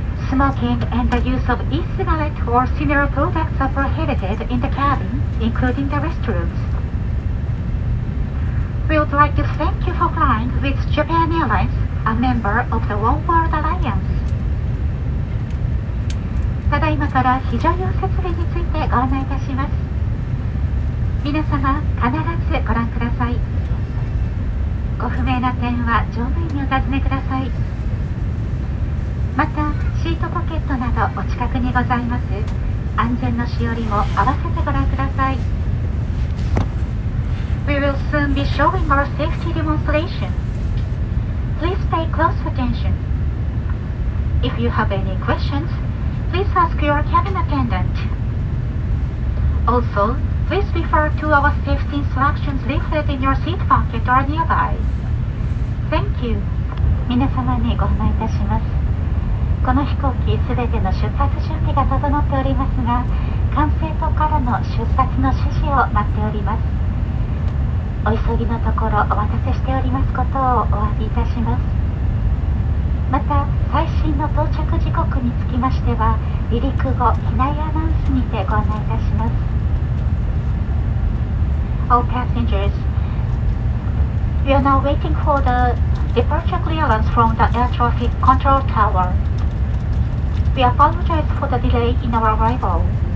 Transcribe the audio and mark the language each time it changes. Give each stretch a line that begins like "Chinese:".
English: Smoking and the use of e-cigarette or similar products are prohibited in the cabin, including the restrooms. We would like to thank you for flying with Japan Airlines, a member of the One World Alliance.
Japanese: ただいまから非常用設備についてご案内いたします。皆様、必ずご覧ください。ご不明な点は乗務員にお尋ねください。また、シートポケットなどお近くにございます。安全のしおりも合わせてご覧ください。
English: We will soon be showing our safety demonstration. Please pay close attention. If you have any questions, please ask your cabin attendant. Also, please refer to our safety instructions leaflet in your seat pocket or nearby. Thank you.
Japanese: 皆様にご案内いたします。この飛行機すべての出発準備が整っておりますが、管制塔からの出発の指示を待っております。お急ぎのところお待たせしておりますことをお詫びいたします。また最新の到着時刻につきましては離陸後機内アナウンスにてご案内いたします。
English: All passengers, we are now waiting for the departure clearance from the air traffic control tower. We apologize for the delay in our arrival.